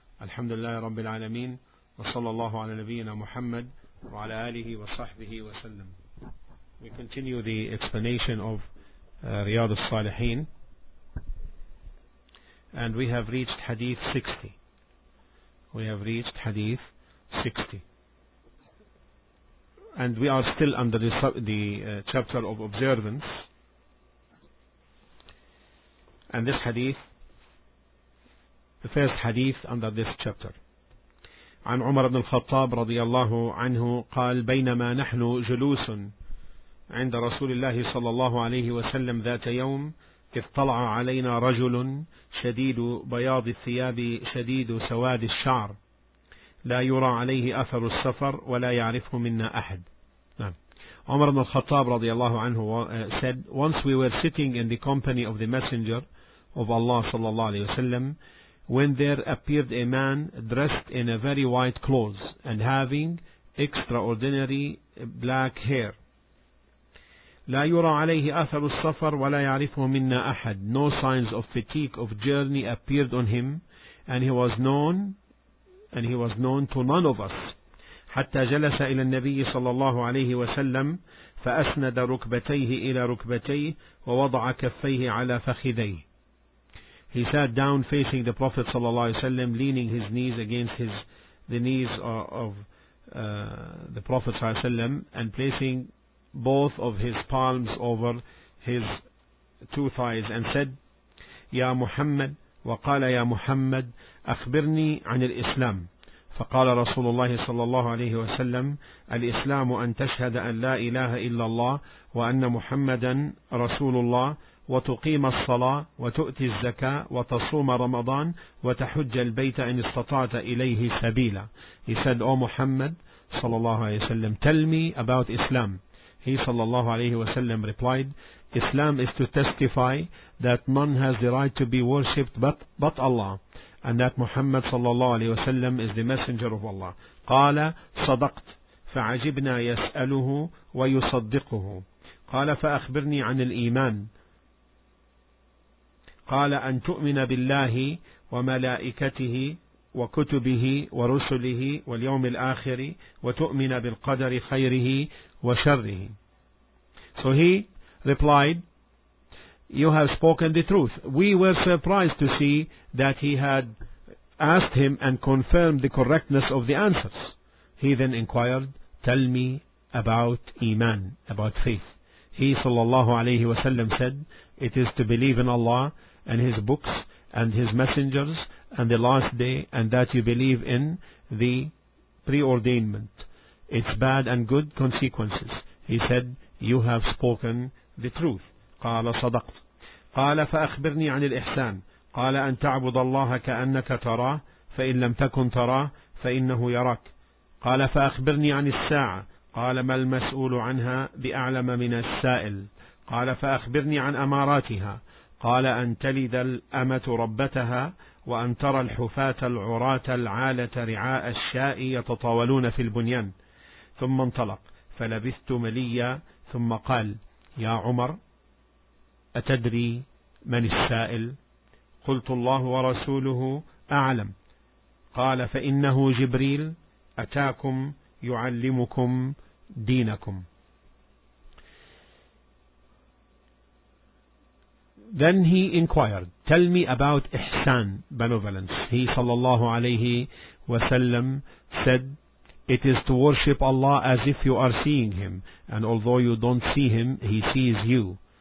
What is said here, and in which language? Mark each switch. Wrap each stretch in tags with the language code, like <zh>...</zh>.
<ar>الحمد لله رب العالمين، وصلى الله على نبينا محمد وعلى آله وصحبه وسلم.</ar> <en>We continue the explanation of رياض الصالحين, and we have reached hadith 60. We have reached hadith 60, and we are still under the chapter of observance. And this hadith, the first hadith under this chapter.</en> <ar>عن عمر بن الخطاب رضي الله عنه قال بينما نحن جلوس عند رسول الله صلى الله عليه وسلم ذات يوم إذ طلع علينا رجل شديد بياض الثياب شديد سواد الشعر لا يرى عليه أثر السفر ولا يعرفه منا أحد.</ar> <en>عمر بن الخطاب</en> <ar>رضي الله عنه</ar> <en>said, once we were sitting in the company of the messenger of Allah</en> <ar>صلى الله عليه وسلم,</ar> <en>when there appeared a man dressed in a very white clothes and having extraordinary black hair.</en> <ar>لا يرى عليه أثر السفر ولا يعرفه منا أحد.</ar> <en>No signs of fatigue of journey appeared on him, and he was known to none of us.</en> <ar>حتى جلس إلى النبي صلى الله عليه وسلم فأسند ركبتيه إلى ركبتيه ووضع كفيه على فخذيه.</ar> <en>He sat down facing the Prophet sallallahu alaihi wasallam, leaning his knees against the knees of the Prophet sallallahu alaihi wasallam, and placing both of his palms over his two thighs, and said, "Ya Muhammad,"</en> <ar>وقال يا محمد أخبرني عن الإسلام. فقال رسول الله صلى الله عليه وسلم الإسلام أن تشهد أن لا إله إلا الله وأن محمدا رسول الله وتقيم الصلاة وتؤتي الزكاة وتصوم رمضان وتحج البيت إن استطعت إليه سبيلا.</ar> <en>He said, O Muhammad</en> <ar>صلى الله عليه وسلم,</ar> <en>tell me about Islam. He</en> <ar>صلى الله عليه وسلم</ar> <en>replied, Islam is to testify that none has the right to be worshipped but Allah, and that Muhammad صلى الله عليه وسلم is the messenger of Allah.</en> <ar>قال صدقت فعجبنا يسأله ويصدقه. قال فأخبرني عن الإيمان. قال أن تؤمن بالله وملائكته وكتبه ورسله واليوم الآخر وتؤمن بالقدر خيره وشره.</ar> <en>So he replied, you have spoken the truth. We were surprised to see that he had asked him and confirmed the correctness of the answers. He then inquired, tell me about Iman, about faith. He sallallahu alayhi wa sallam said, it is to believe in Allah and his books and his messengers and the last day, and that you believe in the preordainment, its bad and good consequences. He said, you have spoken the truth.</en> <ar>قال صدقت. قال فأخبرني عن الإحسان. قال أن تعبد الله كأنك تراه فإن لم تكن تراه فإنه يراك. قال فأخبرني عن الساعة. قال ما المسؤول عنها بأعلم من السائل. قال فأخبرني عن أماراتها. قال أن تلد الأمة ربتها وأن ترى الحفاة العراة العالة رعاء الشاء يتطاولون في البنيان. ثم انطلق فلبثت مليا ثم قال يا عمر أتدري من السائل؟ قلت الله ورسوله أعلم. قال فإنه جبريل أتاكم يعلمكم دينكم.</ar> <en>Then he inquired, tell me about Ihsan, benevolence. He sallallahu alayhi wa sallam said, it is to worship Allah as if you are seeing him, and although you don't see him, he sees you.</en>